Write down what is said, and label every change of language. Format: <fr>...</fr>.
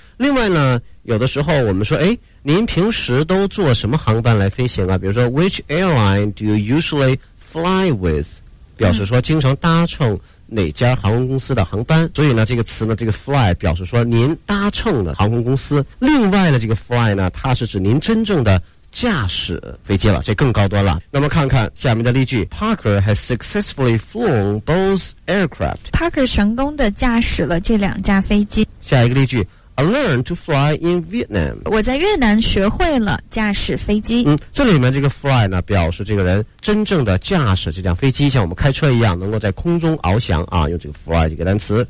<zh>另外呢，有的时候我们说您平时都坐什么航班来飞行啊？比如说 ，</zh> <en>Which airline do you usually fly with？</en> <zh>表示说经常搭乘哪家航空公司的航班。所以呢，这个词呢，这个 fly 表示说您搭乘的航空公司。另外的这个 fly 呢，它是指您真正的驾驶飞机了，这更高端了。那么看看下面的例句 ，</zh> <en>Parker has successfully flown both aircraft。</en> <zh>Parker 成功的驾驶了这两架飞机。下一个例句。</zh> <en>I learned to fly in Vietnam。</en> <zh>我在越南学会了驾驶飞机。这里面这个 fly 呢，表示这个人真正的驾驶这辆飞机，像我们开车一样能够在空中翱翔啊，用这个 fly 这个单词。</zh>